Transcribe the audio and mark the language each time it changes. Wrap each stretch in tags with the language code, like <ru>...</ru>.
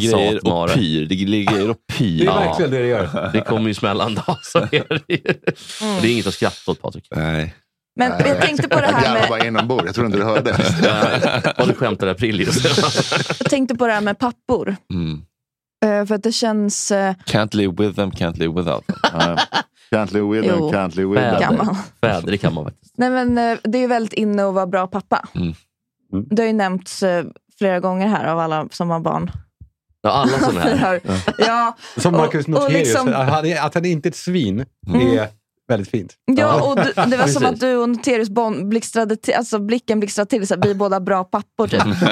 <sv>satmare. Det ligger och pyr. Det är verkligen det gör. Det kommer ju smälla en dag. Så är det. Det är inget att skratta åt, Patrik. Nej. Men nej. Jag tänkte på det här med... Jag var inombord. Jag tror inte du hörde det. Och du skämtade april just. Jag tänkte på det här med pappor. För att det känns...</sv> <en>Can't live with them, can't live without them. Can't live with them.</en> <sv>Det kan man faktiskt. Nej, men det är ju väldigt inne att vara bra pappa. Du har ju nämnts flera gånger här av alla som har barn. Ja, alla som är här. Ja. Som Marcus Noterius, liksom... att han är inte ett svin är väldigt fint. Ja, och det var som att du och Noterius blickstrade till, alltså blicken blickstrade till, så här, vi är båda bra pappor. Typ.</sv>